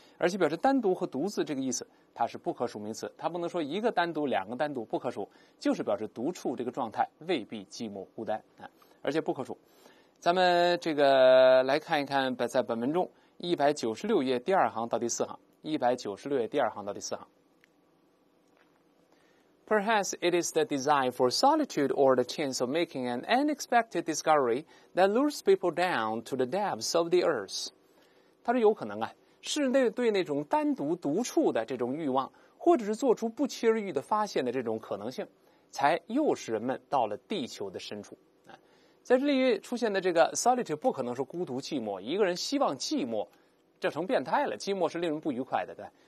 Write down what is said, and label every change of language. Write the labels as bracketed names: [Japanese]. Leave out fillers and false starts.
[Chinese] 而且表示单独和独自这个意思，它是不可数名词，它不能说一个单独两个单独，不可数，就是表示独处这个状态，未必寂寞孤单啊，而且不可数。咱们这个来看一看，在本文中196页第二行到第四行，196页第二行到第四行。 [English] Perhaps it is the desire for solitude or the chance of making an unexpected discovery that lures people down to the depths of the earth. [Chinese] 他说有可能啊，是对那种单独独处的这种欲望，或者是做出不期而遇的发现的这种可能性，才诱使人们到了地球的深处。在这里出现的这个 solitude 不可能是孤独寂寞，一个人希望寂寞，这成变态了，寂寞是令人不愉快的，对吧？